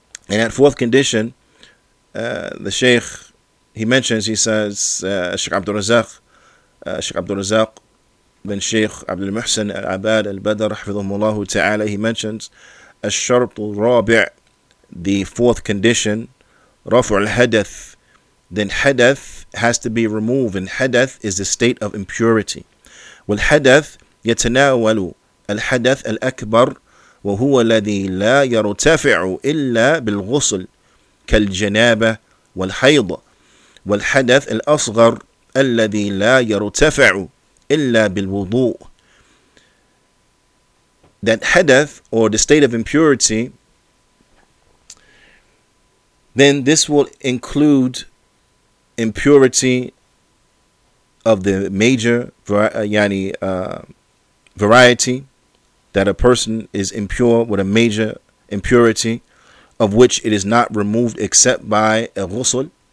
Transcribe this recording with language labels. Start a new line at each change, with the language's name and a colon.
English: And that fourth condition, the Sheikh, he mentions, he says, Sheikh Abdul Razak bin Sheikh Abdul Muhsin al-Abad al-Badr, rahimahullah ta'ala, he mentions,
Arabic: الشرط الرابع,
English: the fourth condition,
Arabic: رفع الحدث.
English: Then hadath has to be removed, and hadath is the state of impurity.
Arabic: Well, hadath يتناول الحدث الأكبر وهو الذي لا يرتفع إلا بالغسل كالجنابة والحيض والحدث الأصغر الذي لا يرتفع إلا بالوضوء.
English: That hadath, or the state of impurity, then this will include impurity of the major variety, that a person is impure with a major impurity of which it is not removed except by a ghusl.